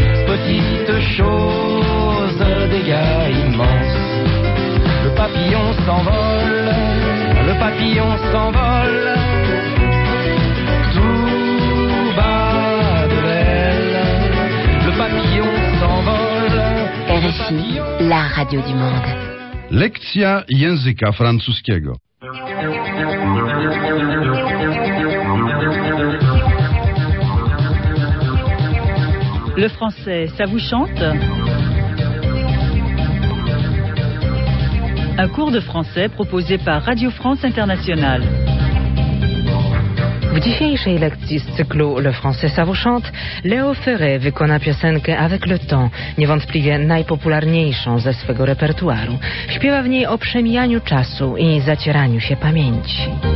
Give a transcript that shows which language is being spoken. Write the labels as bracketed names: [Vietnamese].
[French] Petite chose, dégâts immenses. Le papillon s'envole, le papillon s'envole. Tout bas de l'aile, le papillon s'envole. RFI, papillon... la radio du monde. [Polish] Lekcja języka francuskiego. [French] Le français, ça vous chante ? Un cours de français proposé par Radio France Internationale. [Polish] W dzisiejszej lekcji z cyklu Le Français ça vous chante, Léo Ferré wykona piosenkę Avec le temps, niewątpliwie najpopularniejszą ze swego repertuaru. Śpiewa w niej o przemijaniu czasu i zacieraniu się pamięci.